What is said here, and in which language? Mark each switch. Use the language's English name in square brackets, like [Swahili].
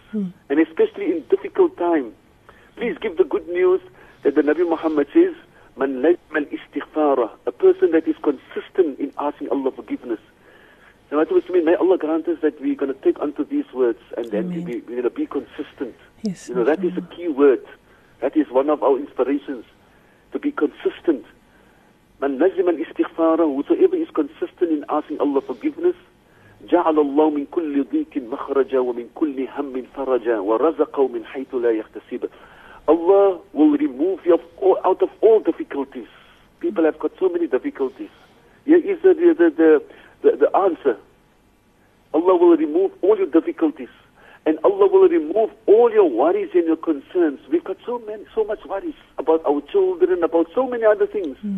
[English] And especially in difficult time, please give the good news that the Nabi Muhammad says, "Man najma al-istighfara," a person that is consistent in asking Allah forgiveness. Now, what does it mean? May Allah grant us that we're going to take unto these words and then we're going to be consistent. Yes, you know, that is a key word. That is one of our inspirations, to be consistent. Man najma al-istighfara, whosoever is consistent in asking Allah forgiveness, [Arabic] جعل الله من كل ضيق مخرجا ومن كل هم فرجا ورزقه من حيث لا يحتسب. [English] Allah will remove you out of all difficulties. People have got so many difficulties. Here is the answer. Allah will remove all your difficulties, and Allah will remove all your worries and your concerns. We've got so much worries about our children, about so many other things.